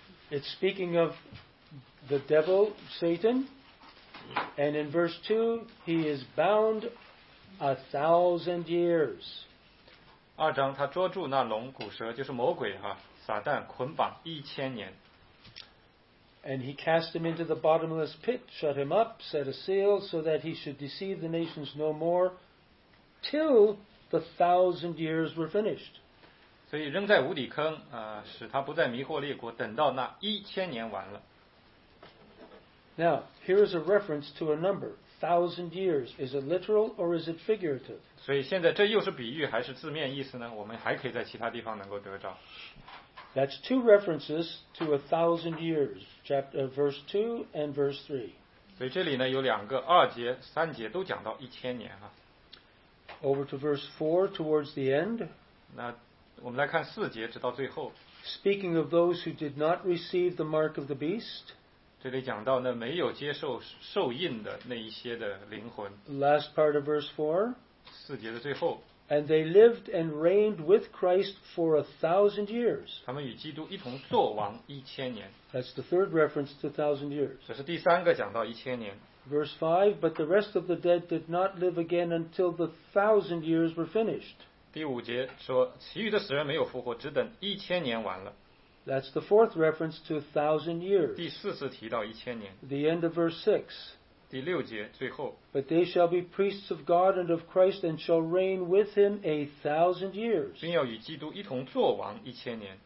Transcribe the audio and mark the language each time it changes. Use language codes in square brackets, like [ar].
[en] It's speaking of the devil, Satan, and in verse 2, he is bound 1,000 years. [zh] 2章，他捉住那龙、古蛇，就是魔鬼哈，撒旦捆绑1000年。 [en] And he cast him into the bottomless pit, shut him up, set a seal, so that he should deceive the nations no more, till the 1,000 years were finished. [zh] 所以扔在无底坑，使他不再迷惑列国，等到那1,000年完了。 [en] Now, here is a reference to a number. 1,000 years. Is it literal or is it figurative? [zh] 所以现在这又是比喻还是字面意思呢？我们还可以在其他地方能够得着。 [en] That's two references to 1,000 years, verse 2 and verse 3. [zh] 所以这里呢有两个，二节、三节都讲到一千年啊。 [en] Over to verse 4, towards the end. [zh] 那我们来看四节，直到最后。 [en] Speaking of those who did not receive the mark of the beast. [zh] 这里讲到呢没有接受受印的那一些的灵魂。 [en] Last part of verse 4. [zh] 四节的最后。 [en] And they lived and reigned with Christ for 1,000 years. [zh] 他们与基督一同作王1,000年。 [en] That's the third reference to 1,000 years. [zh] 这是第三个讲到一千年。 [en] Verse 5, but the rest of the dead did not live again until the 1,000 years were finished. [zh] 第五节说，其余的死人没有复活，只等一千年完了。 [en] That's the fourth reference to 1,000 years. [zh] 第四次提到一千年。 [en] The end of verse 6. [zh] 第六节最后 [en] But they shall be priests of God and of Christ and shall reign with him 1,000 years. [zh] 并要与基督一同作王1,000年。